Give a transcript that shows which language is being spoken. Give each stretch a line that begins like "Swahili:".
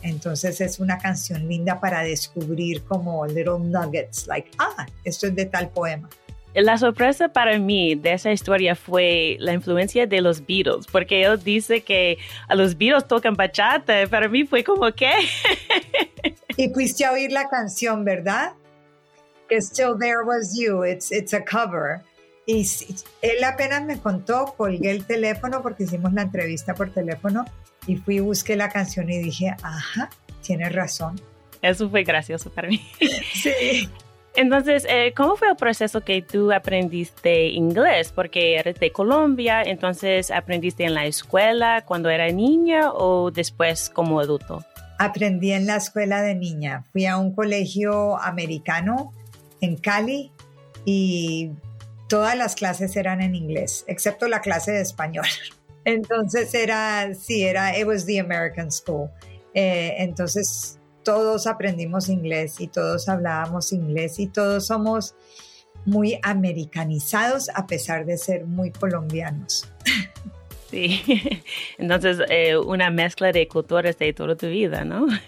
Spanish: Entonces es una canción linda para descubrir como
English: little nuggets, like,
Spanish: ah, esto es de tal poema. La sorpresa para mí de esa historia fue la influencia de los Beatles, porque él dice que a los Beatles tocan bachata. Para mí fue como, ¿qué? Y fuiste a oír la canción, ¿verdad?
English: Que Still There Was You, it's a cover.
Spanish: Y él apenas me contó, colgué el teléfono porque hicimos la entrevista por teléfono y fui, busqué la canción y dije, ajá, tienes razón. Eso fue gracioso para mí. Sí. Entonces, ¿cómo fue el proceso que tú aprendiste inglés? Porque eres de Colombia, entonces, ¿aprendiste en la escuela cuando era niña o después como adulto? Aprendí en la escuela de niña. Fui a un colegio americano en Cali y todas las clases eran en inglés, excepto la clase de español. Entonces era,
English: it was the American school.
Spanish: Entonces todos aprendimos inglés y todos hablábamos inglés y todos somos muy americanizados a pesar de ser muy colombianos. Sí, entonces una mezcla de culturas de toda tu vida, ¿no?